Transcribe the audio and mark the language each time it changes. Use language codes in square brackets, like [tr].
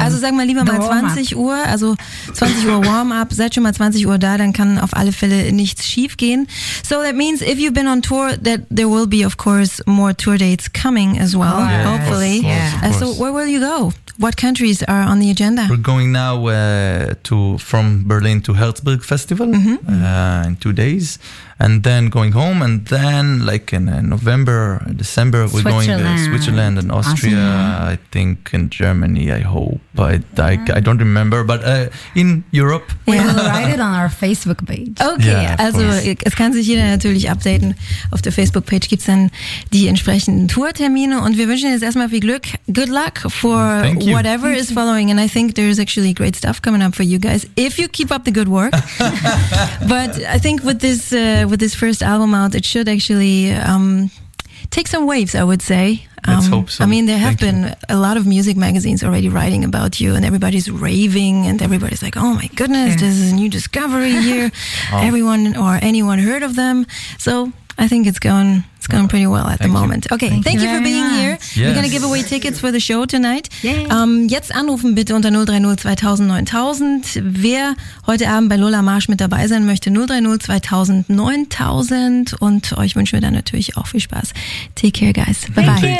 [de] Also sagen wir lieber mal 20 Uhr, also 20 Uhr Warm-up. Seid schon mal 20 Uhr da, dann kann auf alle Fälle nichts schief gehen. [en] So that means if you've been on tour, that there will be of course more tour dates coming as well, hopefully. Yeah. So where will you go? What countries are on the agenda? We're going now from Berlin to Herzberg Festival in 2 days, and then going home, and then like in November, December, we're going to Switzerland and Austria, I think, and Germany, I hope. I don't remember, but in Europe. We'll write it on our Facebook page. [de] Okay, yeah, also es kann sich jeder natürlich updaten. Auf der Facebook Page gibt es dann die entsprechenden Tourtermine, und wir wünschen jetzt erstmal viel Glück. [en] Good luck for... Thank you. Whatever is following, and I think there's actually great stuff coming up for you guys if you keep up the good work. But I think with this first album out, it should actually take some waves, I would say. Let's hope so. I mean, there have been a lot of music magazines already writing about you, and everybody's raving, and everybody's like, oh my goodness, this is a new discovery here. Everyone or anyone heard of them. So I think it's going pretty well at the moment. Okay, thank you for being here. Yes. We're going to give away tickets for the show tonight. Yay. [de] Jetzt anrufen bitte unter 030 2000 9000. Wer heute Abend bei Lola Marsch mit dabei sein möchte, 030 2000 9000, und euch wünschen wir dann natürlich auch viel Spaß. [en] Take care, guys. Bye-bye.